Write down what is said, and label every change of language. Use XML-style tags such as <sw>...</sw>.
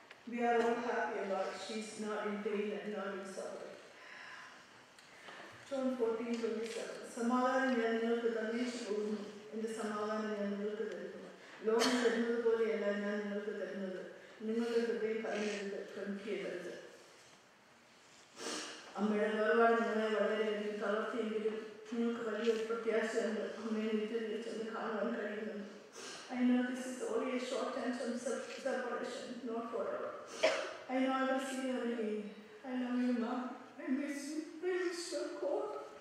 <en>We are all happy about she is not in pain and not in suffering. John 14:27.</en> <ml>സമാധാനം ഞാൻ നിങ്ങൾക്ക് തന്നേച്ചു പോകുന്നു. എന്റെ സമാധാനം ഞാൻ നിങ്ങൾക്ക് തരുന്നു. ലോകം തരുന്നത് പോലെയല്ല ഞാൻ നിങ്ങൾക്ക് തരുന്നത്. നിങ്ങളുടെ ഹൃദയം പറയരുത്, ക്രമിക്കരുത്. അമ്മയുടെ വേർപാട് നിങ്ങളെ വളരെയധികം തളർത്തിയെങ്കിലും നിങ്ങൾക്ക് വലിയൊരു പ്രത്യാശയുണ്ട്. അമ്മയെ നീറ്റ് ചെന്ന് കാണാൻ കഴിയുന്നുണ്ട്.</ml> <en>I know this is only a short time from separation, not forever. I know I will see you again. I love you, Mom. I miss you. I miss your core.</en>